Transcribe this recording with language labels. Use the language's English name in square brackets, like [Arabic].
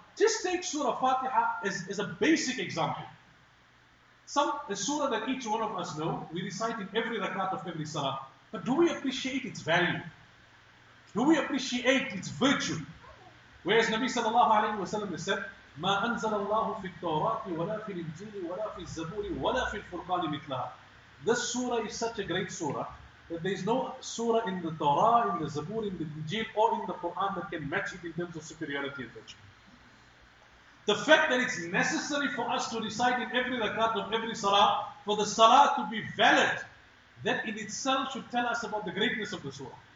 [English] Just take Surah Fatiha as a basic example. A surah that each one of us know, we recite in every rakat of every salah. But do we appreciate its value? Do we appreciate its virtue? Whereas Nabi sallallahu alayhi wa sallam has said, [Arabic] ما أنزل الله في التوراة ولا في الإنجيل ولا في الزبور ولا في الفرقان مثلها. [English] This surah is such a great surah that there is no surah in the Torah, in the Zabur, in the Injil, or in the Quran that can match it in terms of superiority and virtue. The fact that it's necessary for us to recite in every rakat of every salah for the salah to be valid, that in itself should tell us about the greatness of the surah.